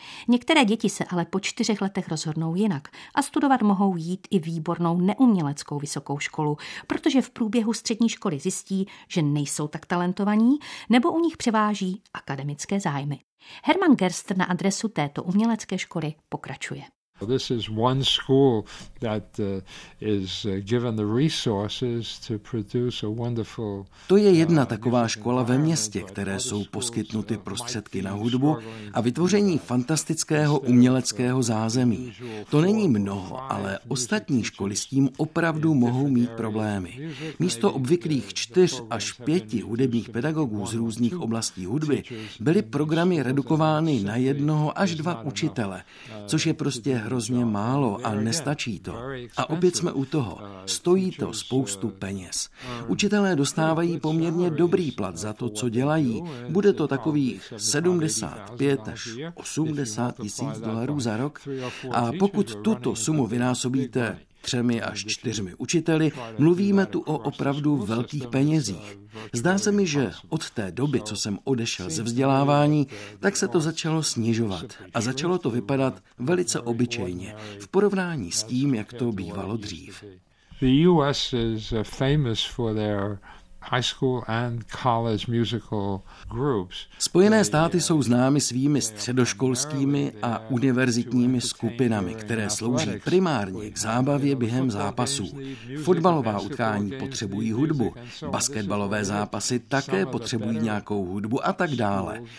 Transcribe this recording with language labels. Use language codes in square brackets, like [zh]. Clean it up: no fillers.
[cs] Některé děti se ale po 4 letech rozhodnou jinak a studovat mohou jít i výbornou neuměleckou vysokou školu, protože v průběhu střední školy zjistí, že nejsou tak talentovaní nebo u nich převáží akademické zájmy. Herman Gerst na adresu této umělecké školy pokračuje. [en] This is one school that is given the resources to produce a wonderful. [cs] To je jedna taková škola ve městě, které jsou poskytnuty prostředky na hudbu a vytvoření fantastického uměleckého zázemí. To není mnoho, ale ostatní školy s tím opravdu mohou mít problémy. Místo obvyklých 4 až 5 hudebních pedagogů z různých oblastí hudby byly programy redukovány na 1 až 2 učitele, což je prostě hrozně málo a nestačí to. A opět jsme u toho. Stojí to spoustu peněz. Učitelé dostávají poměrně dobrý plat za to, co dělají. Bude to takových $75,000 až $80,000 za rok. A pokud tuto sumu vynásobíte 3 až 4 učiteli, mluvíme tu o opravdu velkých penězích. Zdá se mi, že od té doby, co jsem odešel ze vzdělávání, tak se to začalo snižovat a začalo to vypadat velice obyčejně v porovnání s tím, jak to bývalo dřív. [en] The US is famous for their high school and college musical groups. [cs] Spojené státy jsou známy svými středoškolskými a univerzitními skupinami, které slouží primárně k zábavě během zápasů. Fotbalová utkání potřebují hudbu, basketbalové zápasy také potřebují nějakou hudbu a tak dále.